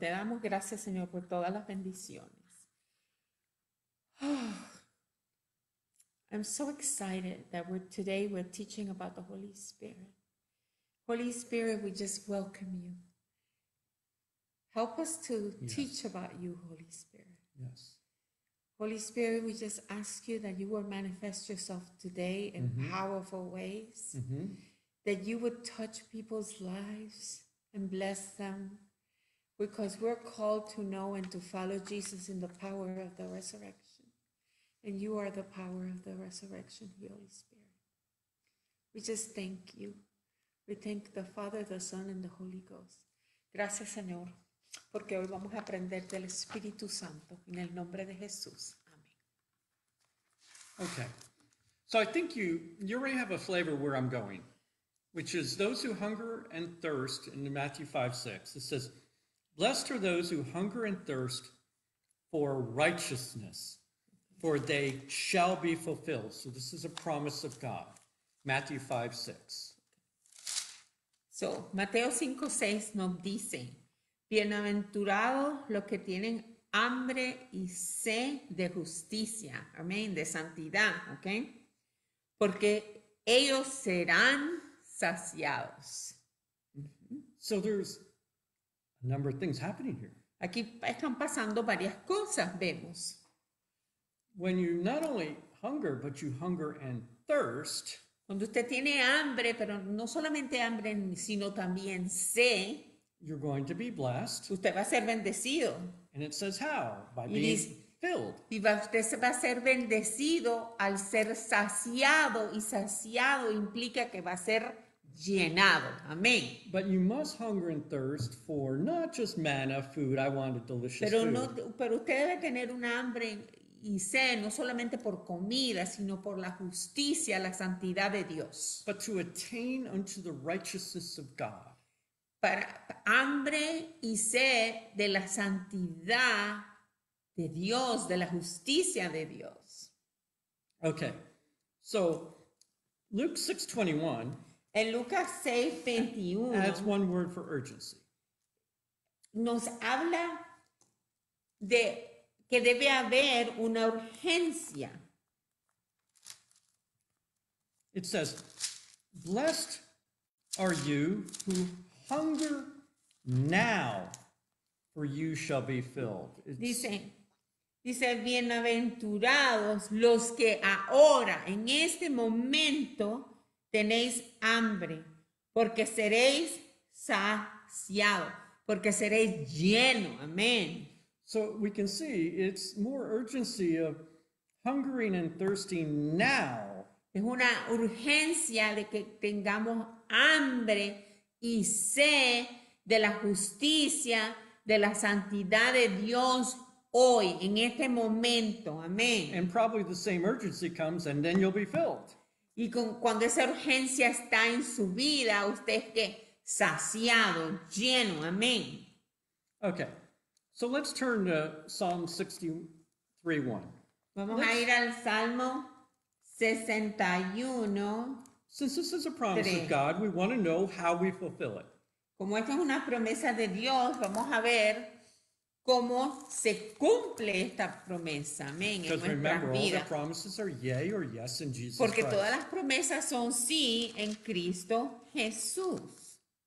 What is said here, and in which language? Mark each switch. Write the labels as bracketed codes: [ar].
[es] Te damos gracias, Señor, por todas las bendiciones. [en] Oh, I'm so excited that today we're teaching about the Holy Spirit. Holy Spirit, we just welcome you. Help us to teach about you, Holy Spirit. Yes. Holy Spirit, we just ask you that you will manifest yourself today in powerful ways, that you would touch people's lives and bless them, because we're called to know and to follow Jesus in the power of the resurrection. And you are the power of the resurrection, Holy Spirit. We just thank you. We thank the Father, the Son, and the Holy Ghost. [es] Gracias, Señor. Porque hoy vamos a aprender del Espíritu Santo en el nombre de Jesús. Amén. [en] Okay. So I think you already have a flavor where I'm going, which is those who hunger and thirst in Matthew 5:6. It says, blessed are those who hunger and thirst for righteousness, for they shall be fulfilled. So this is a promise of God. Matthew 5:6. [es] So Mateo 5:6 nos dice, bienaventurados los que tienen hambre y sed de justicia, amén, de santidad, ¿ok? Porque ellos serán saciados. [en] So there's a number of things happening here. [es] Aquí están pasando varias cosas, vemos. [en] When you not only hunger, but you hunger and thirst. [es] Cuando usted tiene hambre, pero no solamente hambre, sino también sed. [en] You're going to be blessed. [es] Usted va a ser bendecido. [en] And it says how? By being filled. [es] Y usted va a ser bendecido al ser saciado. Y saciado implica que va a ser llenado. Amén. [en] But you must hunger and thirst for not just manna, food. I want a delicious [es] pero [en] food. [es] No, pero usted debe tener un hambre y sed, no solamente por comida, sino por la justicia, la santidad de Dios. [en] But to attain unto the righteousness of God. [es] Para hambre y sed de la santidad de Dios, de la justicia de Dios. [en] Okay, so Luke 6:21. [es] En Lucas 6:21. [en] That's one word for urgency. [es] Nos habla de que debe haber una urgencia. [en] It says, blessed are you who hunger now, for you shall be filled. [es] Dice, bienaventurados los que ahora, en este momento, tenéis hambre, porque seréis saciado, porque seréis lleno. Amén. [en] So we can see it's more urgency of hungering and thirsting now. [es] Es una urgencia de que tengamos hambre y sé de la justicia, de la santidad de Dios hoy, en este momento. Amén. [en] And probably the same urgency comes and then you'll be filled. [es] Y cuando esa urgencia está en su vida, usted es que saciado, lleno. Amén. [en] Okay, so let's turn to Psalm 63:1. [es] Vamos a ir al Salmo 61. [en] Since this is a promise of God, we want to know how we fulfill it. [es] Como esta es una promesa de Dios, vamos a ver cómo se cumple esta promesa. Amén. [en] Because remember, [es] vida. [en] All the promises are yea or yes in Jesus [es] Porque [en] Christ. [es] Porque todas las promesas son sí en Cristo Jesús.